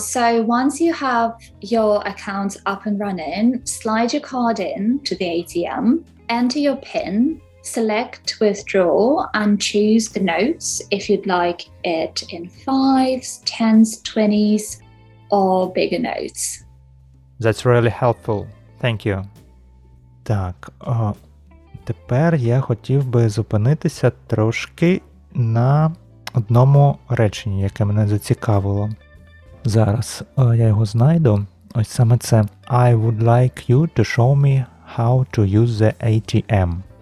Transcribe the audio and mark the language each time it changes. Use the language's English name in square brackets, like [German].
[English] So once you have your account up and running, slide your card in to the ATM, enter your PIN, select withdraw and choose the notes if you'd like it in 5s, 10s, 20s or bigger notes. That's really helpful. Thank you. [Ukrainian] Так, тепер я хотів би зупинитися трошки на одному реченні, яке мене зацікавило. Зараз я його знайду. Ось саме це. [English] I would like you to show me how to use the ATM.